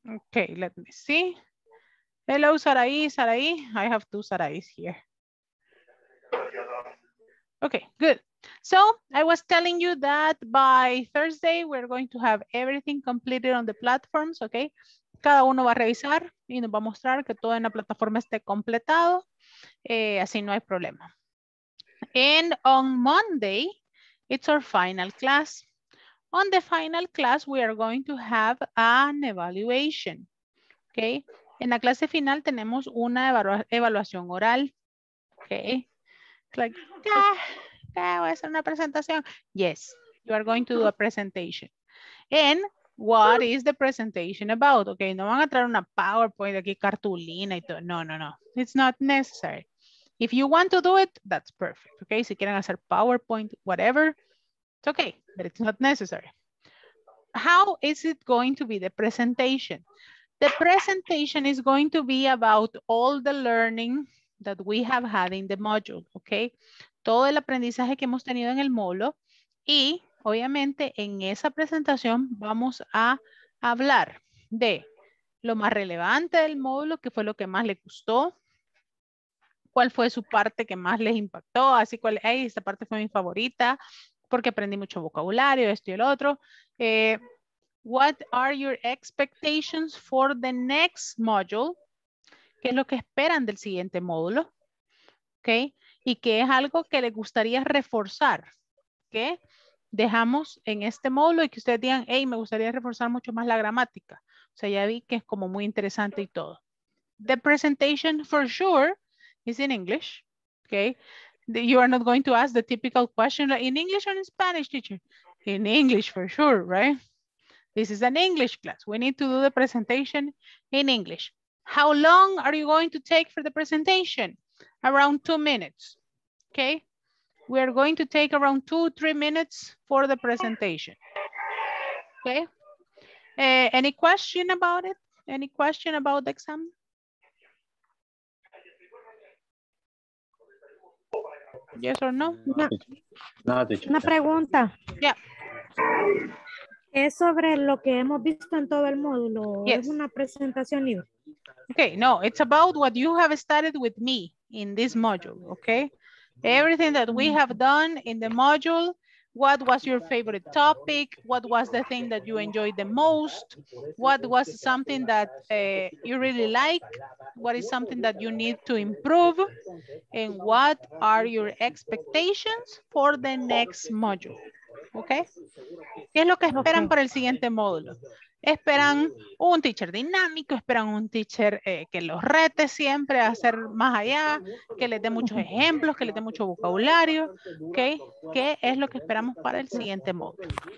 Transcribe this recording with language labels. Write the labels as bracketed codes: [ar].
[en] Okay, let me see. Hello, Sarai, Sarai. I have two Sarais here. Okay, good. So I was telling you that by Thursday, we're going to have everything completed on the platforms, okay? [es] Cada uno va a revisar y nos va a mostrar que todo en la plataforma esté completado. Así no hay problema. [en] And on Monday, it's our final class. On the final class, we are going to have an evaluation, okay? [es] En la clase final tenemos una evaluación oral, okay? [en] Like, yeah, [es] voy a hacer una presentación. [en] Yes, you are going to do a presentation. And what is the presentation about? [es] Okay, no van a traer una PowerPoint aquí, cartulina y todo. No, no, no, [en] it's not necessary. If you want to do it, that's perfect, okay? [es] Si quieren hacer PowerPoint, [en] whatever, it's okay, but it's not necessary. How is it going to be the presentation? The presentation is going to be about all the learning that we have had in the module, okay? [es] Todo el aprendizaje que hemos tenido en el módulo, y obviamente en esa presentación vamos a hablar de lo más relevante del módulo, que fue lo que más le gustó, cuál fue su parte que más les impactó, así cuál, hey, esta parte fue mi favorita, porque aprendí mucho vocabulario, esto y el otro. [en] What are your expectations for the next module? [es] ¿Qué es lo que esperan del siguiente módulo? ¿Okay? ¿Y qué es algo que les gustaría reforzar? ¿Qué dejamos en este módulo y que ustedes digan, hey, me gustaría reforzar mucho más la gramática? O sea, ya vi que es como muy interesante y todo. [en] The presentation for sure is in English. ¿Okay? You are not going to ask the typical question in English or in Spanish, teacher. In English for sure, right? This is an English class. We need to do the presentation in English. How long are you going to take for the presentation? Around 2 minutes, okay? We are going to take around 2-3 minutes for the presentation, okay? Any question about it? Any question about the exam? Yes or no? [es] Una pregunta. [en] Yeah. [es] Es sobre lo que hemos visto en todo el módulo. [en] Yes. [es] Es una presentación libre. [en] Okay, no, it's about what you have studied with me in this module, okay? Everything that we have done in the module, what was your favorite topic? What was the thing that you enjoyed the most? What was something that you really like? What is something that you need to improve? And what are your expectations for the next module? Okay. [es] ¿Qué es lo que esperan para el siguiente módulo? Esperan un teacher dinámico, esperan un teacher que los rete siempre a hacer más allá, que les dé muchos ejemplos, que les dé mucho vocabulario. Okay. ¿Qué es lo que esperamos para el siguiente módulo?